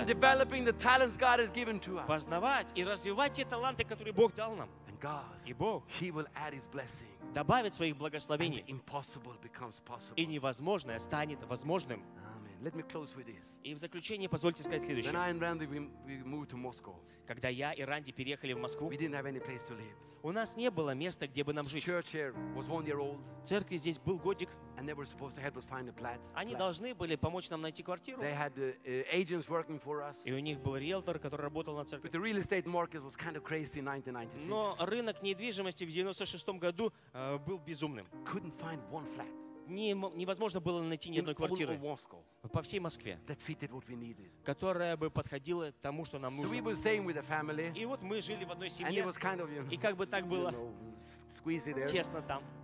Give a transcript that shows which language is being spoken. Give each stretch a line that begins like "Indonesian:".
English: Keep on developing the talents God has given to us,
Russian: познавать и развивать те таланты, которые Бог дал нам.
English: And God,
Russian: и Бог
English: he will add his blessing,
Russian: добавит своих благословений,
English: and the impossible becomes possible.
Russian: И невозможное станет возможным.
English: Let me close with this.
Russian: И в заключение позвольте сказать следующее.
English: When I and Randy, we moved to Moscow,
Russian: когда я и Ранди переехали в Москву,
English: we didn't have any place to live.
Russian: У нас не было места, где бы нам жить.
English: Church here was 1 year old,
Russian: церкви здесь был годик.
English: And they were supposed to help us find a flat.
Russian: Они должны были помочь нам найти квартиру.
English: They had, agents working for us.
Russian: И у них был риэлтор, который работал на церкви.
English: But the real estate market was kind of crazy in 1996.
Russian: Но рынок недвижимости в 96-м году был безумным.
English: Couldn't find one flat.
Russian: Невозможно было найти ни одной квартиры по всей Москве, которая бы подходила тому, что нам нужно. И вот мы жили в одной семье, и как бы так было тесно там.